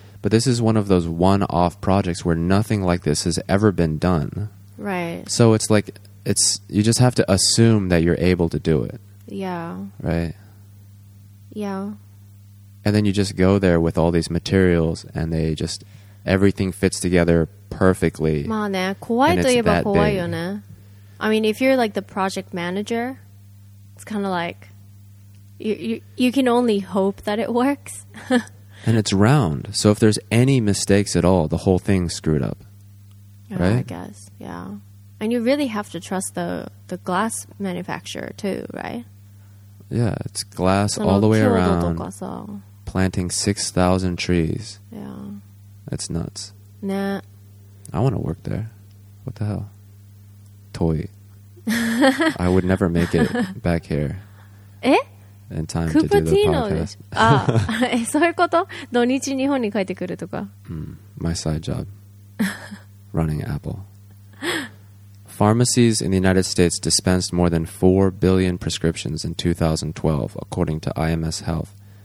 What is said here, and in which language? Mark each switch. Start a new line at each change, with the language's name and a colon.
English: But this is one of those one-off projects where nothing like this has ever been done. Right. So it's like, it's you just have to assume that you're able to do it. Yeah. Right? Yeah. And then you just go there with all these materials, and they just, everything fits together perfectly.
Japanese: まあね、怖いといえば怖いよね。
English: I mean, if you're like the project manager, it's kind of like, you can only hope that it works. And it's round. So if there's any mistakes at all, the whole thing's screwed up. Right? I guess, yeah. And you really have to trust the glass manufacturer too, right? Yeah, it's glass all the way around. Planting 6,000 trees. Yeah. That's nuts. Nah. I want to work there. What the hell? Toy. I would never make it back here. Eh? In time to do the podcast.
Japanese: Ah, そういうこと? 土日日本に帰ってくるとか。
English: My side job. Running Apple. Pharmacies in the United States dispensed more than 4 billion prescriptions in 2012, according to IMS Health.